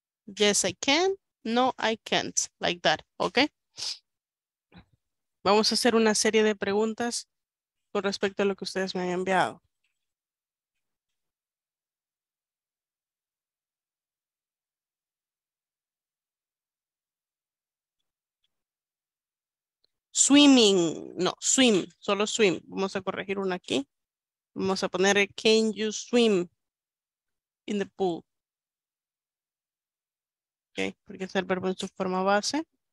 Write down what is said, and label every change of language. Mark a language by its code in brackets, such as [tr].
[en] Yes I can, no I can't, like that, okay? [es] Vamos a hacer una serie de preguntas con respecto a lo que ustedes me han enviado. [en] Swimming, no, swim, [es] solo swim. Vamos a corregir una aquí. Vamos a poner, [en] can you swim in the pool? [es] Ok, porque es el verbo en su forma base.